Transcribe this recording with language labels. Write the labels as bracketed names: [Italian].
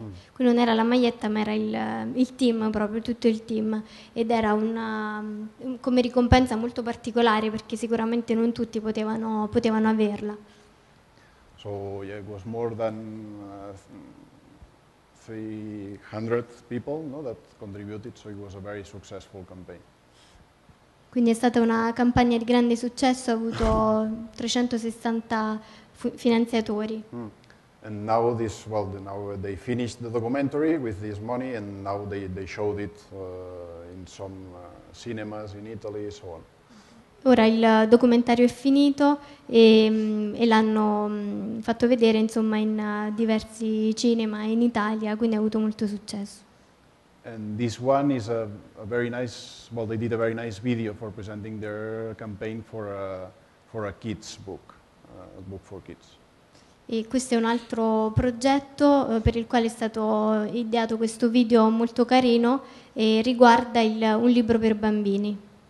[Italian] Quindi non era la maglietta, ma era il team, proprio tutto il team, ed era una come ricompensa molto particolare, perché sicuramente non tutti potevano averla. [English] So yeah, it was more than 300 people, no, that contributed, so it was a very successful campaign. [Italian] Quindi è stata una campagna di grande successo, ha avuto 360 finanziatori. [English] And now this, well, now they finished the documentary with this money, and now they showed it in some cinemas in Italy, so on. [Italian] Ora il documentario è finito e l'hanno fatto vedere, insomma, in diversi cinema in Italia, quindi ha avuto molto successo. [English] And this one is a very nice, well, they did a very nice video for presenting their campaign for a kids book, a book for kids. [Italian] E questo è un altro progetto per il quale è stato ideato questo video molto carino, e riguarda un libro per bambini.